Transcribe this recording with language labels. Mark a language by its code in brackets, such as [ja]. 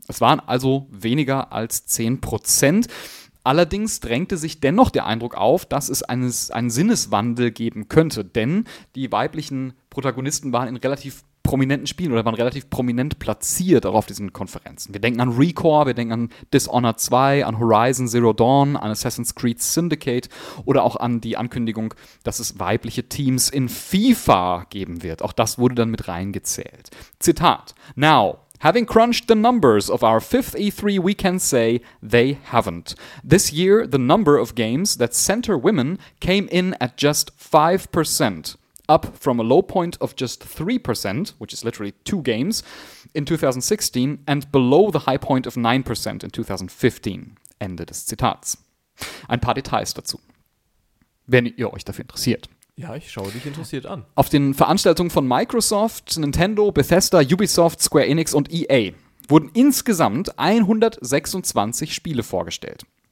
[de] Es waren also weniger als 10%. Allerdings drängte sich dennoch der Eindruck auf, dass es einen Sinneswandel geben könnte, denn die weiblichen Protagonisten waren in relativ prominenten Spielen oder waren relativ prominent platziert auch auf diesen Konferenzen. Wir denken an ReCore, wir denken an Dishonored 2, an Horizon Zero Dawn, an Assassin's Creed Syndicate oder auch an die Ankündigung, dass es weibliche Teams in FIFA geben wird. Auch das wurde dann mit reingezählt. Zitat: [en] Now, having crunched the numbers of our fifth E3, we can say they haven't. This year, the number of games that center women came in at just 5%. Up from a low point of just 3%, which is literally 2 games, in 2016, and below the high point of 9% in 2015. [de] Ende des Zitats. Ein paar Details dazu, wenn ihr euch dafür interessiert. Ja, ich schaue dich interessiert an. Auf den Veranstaltungen von Microsoft, Nintendo, Bethesda, Ubisoft, Square Enix und EA wurden insgesamt 126 Spiele vorgestellt.